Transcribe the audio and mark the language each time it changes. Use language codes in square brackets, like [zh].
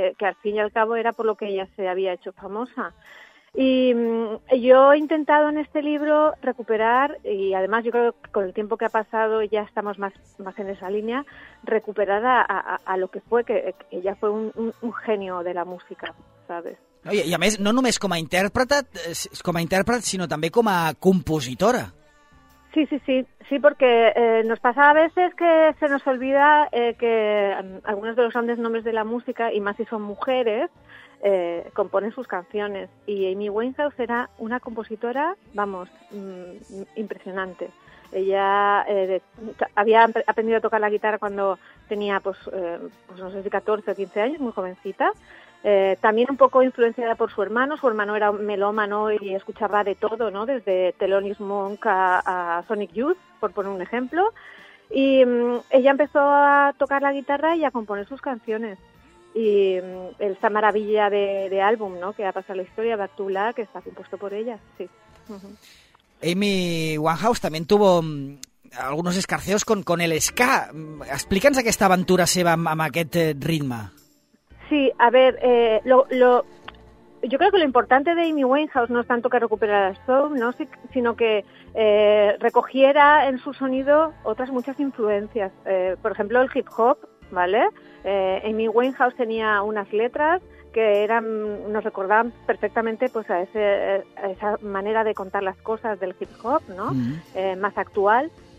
[es] Que al fin y al cabo era por lo que ella se había hecho famosa. Y yo he intentado en este libro recuperar, y además yo creo que con el tiempo que ha pasado ya estamos más en esa línea, recuperar a lo que fue, que ella fue un genio de la música, ¿sabes? Oye, y [ca] a més, no només com a intèrpret, sinó també com a compositora. [es] Sí, sí, sí, sí, porque nos pasa a veces que se nos olvida que algunos de los grandes nombres de la música, y más si son mujeres, componen sus canciones. Y Amy Winehouse era una compositora, vamos, impresionante. Ella había aprendido a tocar la guitarra cuando tenía, pues no sé si 14 o 15 años, muy jovencita. También un poco influenciada por su hermano era melómano y escuchaba de todo, ¿no? Desde Thelonious Monk a Sonic Youth, por poner un ejemplo, y ella empezó a tocar la guitarra y a componer sus canciones, y esa maravilla de álbum, ¿no? Que ha pasado la historia, Back to Black, que está compuesto por ella, sí. Amy Winehouse también tuvo algunos escarceos con el ska. [ca] Explica'ns aquesta aventura seva amb aquest ritme. [es] Sí, a ver, yo creo que lo importante de Amy Winehouse no es tanto que recuperara el soul, ¿no?, sino que recogiera en su sonido otras muchas influencias. Por ejemplo, el hip hop, ¿vale? Amy Winehouse tenía unas letras que eran, nos recordaban perfectamente pues a esa manera de contar las cosas del hip hop, ¿no? Mm-hmm. Más actual.